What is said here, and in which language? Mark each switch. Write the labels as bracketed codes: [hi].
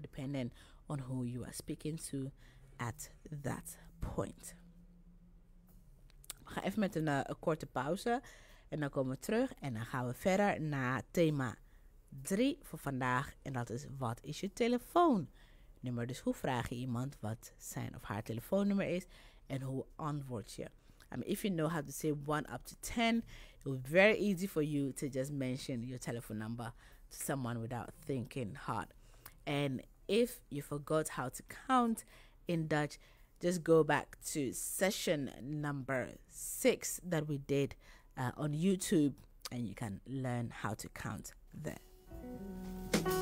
[en] Depending on who you are speaking to at that point. [nl] We gaan even met een korte pauze. En dan komen we terug. En dan gaan we verder naar thema 3 voor vandaag. En dat is, wat is je telefoonnummer? Dus hoe vraag je iemand wat zijn of haar telefoonnummer is? En hoe antwoord je? [en] I mean, if you know how to say 1 up to 10, it will be very easy for you to just mention your telephone number to someone without thinking hard. And if you forgot how to count in Dutch, just go back to session number 6 that we did on YouTube and you can learn how to count there.